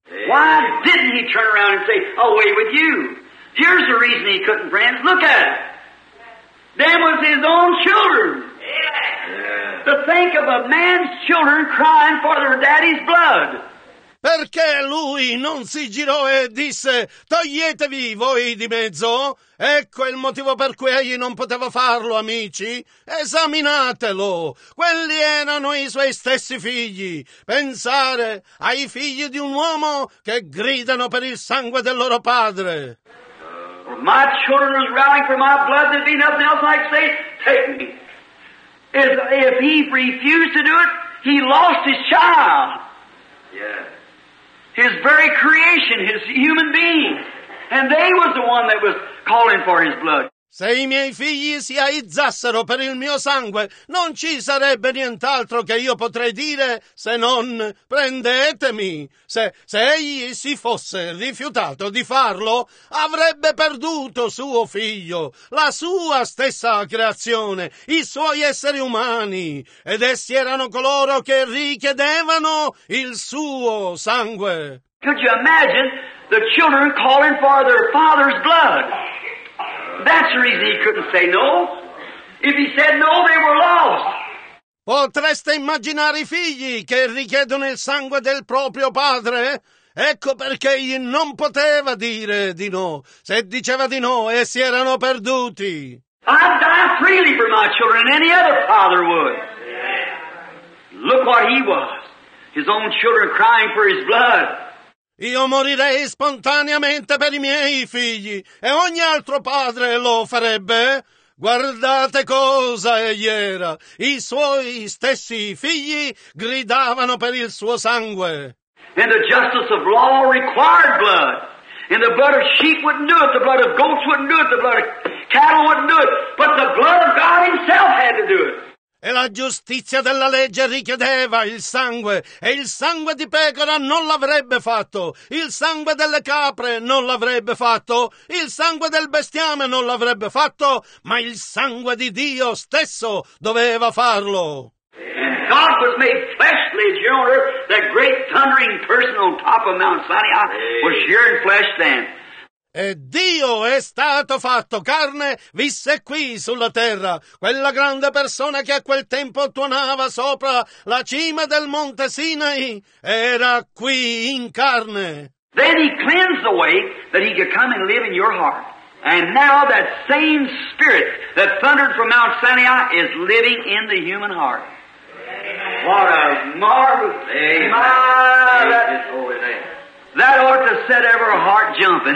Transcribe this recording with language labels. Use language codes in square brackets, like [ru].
[en] Why didn't he turn around and say, away with you? Here's the reason he couldn't, friends. Look at it. Them was his own children. To think of a man's children crying for their daddy's blood. [it] Perché lui non si girò e disse, toglietevi voi di mezzo? Ecco il motivo per cui egli non poteva farlo, amici. Esaminatelo. Quelli erano i suoi stessi figli. Pensare ai figli di un uomo che gridano per il sangue del loro padre. [en] For my children was rallying for my blood, there'd be nothing else I'd say, take me. If he refused to do it, he lost his child. Yeah. His very creation, his human being. And they was the one that was calling for his blood. [it] Se i miei figli si aizzassero per il mio sangue, non ci sarebbe nient'altro che io potrei dire se non prendetemi. Se egli si fosse rifiutato di farlo, avrebbe perduto suo figlio, la sua stessa creazione, i suoi esseri umani, ed essi erano coloro che richiedevano il suo sangue. [en] Could you imagine the children calling for their father's blood? That's the reason he couldn't say no. If he said no, they were lost. [it] Potreste immaginare i figli che richiedono il sangue del proprio padre? Ecco perché egli non poteva dire di no. Se diceva di no, essi erano perduti. [en] I'd die freely for my children, any other father would. Look what he was. His own children crying for his blood. [it] Io morirei spontaneamente per i miei figli, e ogni altro padre lo farebbe. Guardate cosa egli era. I suoi stessi figli gridavano per il suo sangue. [en] And the justice of law required blood. And the blood of sheep wouldn't do it, the blood of goats wouldn't do it, the blood of cattle wouldn't do it, but the blood of God himself had to do it. [it] E la giustizia della legge richiedeva il sangue, e il sangue di pecora non l'avrebbe fatto, il sangue delle capre non l'avrebbe fatto, il sangue del bestiame non l'avrebbe fatto, ma il sangue di Dio stesso doveva farlo. [en] And God was made fleshly, Jonah, that great thundering person on top of Mount Sinai was here in flesh then. [it] E Dio è stato fatto carne, visse qui sulla terra, quella grande persona che a quel tempo tuonava sopra la cima del monte Sinai, era qui in carne. [en] Then he cleansed the way that he could come and live in your heart. And now that same spirit that thundered from Mount Sinai is living in the human heart. What a marvelous amen. That ought to set every heart jumping.